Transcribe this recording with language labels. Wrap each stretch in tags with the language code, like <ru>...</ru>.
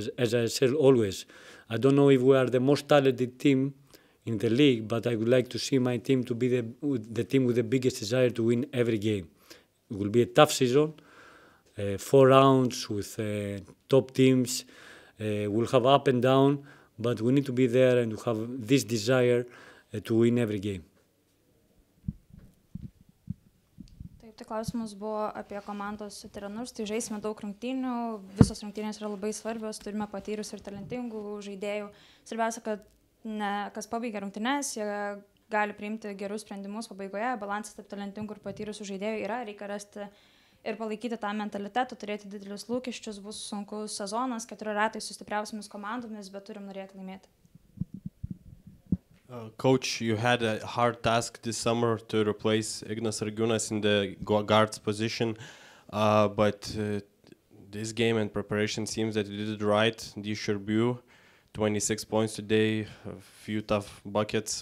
<en>As I said always, I don't know if we are the most talented team in the league, but I would like to see my team to be the team with the biggest desire to win every game. It will be a tough season, 4 rounds with top teams. We'll have up and down, but we need to be there and have this desire to win every game.</en> <lt>Taip, tai klausimas buvo apie komandos su trenerius. Tai žaisime daug rungtynių, visos rungtynės yra labai svarbios, turime patyrus ir talentingų žaidėjų. Svarbiausia, kad ne kas pabaigė rungtynės, gali priimti gerus sprendimus pabaigoje, balansas tarp talentingų ir patyrusių žaidėjų yra, reikia rasti ir palaikyti tą mentalitetą, turėti didelius lūkesčius, bus sunkus sezonas, 4 ratai su stipriausiamis komandomis, bet turim norėti laimėti.</lt> <en>Coach, you had a hard task this summer to replace Ignas Argiūnas in the guards position, but this game and preparation seems that you did it right, you should be. 26 points today, a few tough buckets.</en>